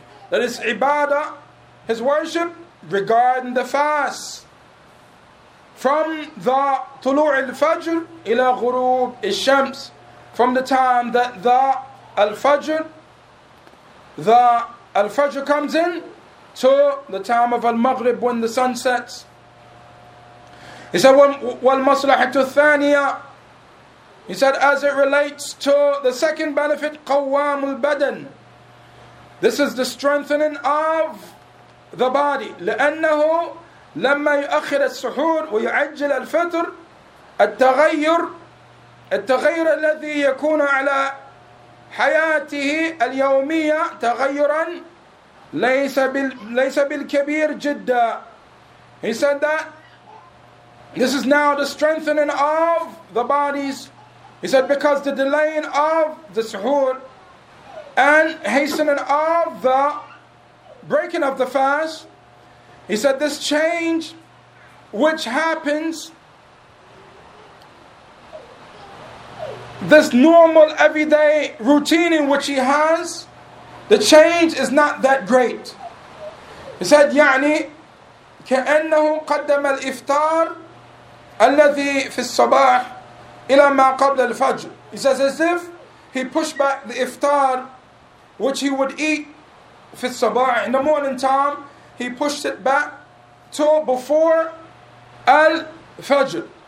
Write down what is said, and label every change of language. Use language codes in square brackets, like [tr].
[en] That is ibadah, his worship, regarding the fast, from the [ar] طلوع الفجر إلى غروب الشمس, [en] from the time that the Al-Fajr comes in, to the time of Al-Maghrib, when the sun sets. He said, [ar] والمصلحة الثانية. [en] He said, as it relates to the second benefit, [ar] قوام البدن. [en] This is the strengthening of the body. [ar] لأنه لما يؤخر السحور ويعجل الفطر التغير الذي يكون على حياته اليومية تغيرا ليس بالكبير جدا. [en] He said that this is now the strengthening of the bodies. He said because the delaying of the suhoor and hastening of the breaking of the fast, he said this change which happens, this normal everyday routine in which he has, the change is not that great. He said, [ar] يعني كأنه قدم الإفطار الذي في الصباح إلى ما قبل الفجر. [en] He says as if he pushed back the iftar which he would eat [ar] في الصباح, [en] in the morning time, he pushed it back to before الفجر.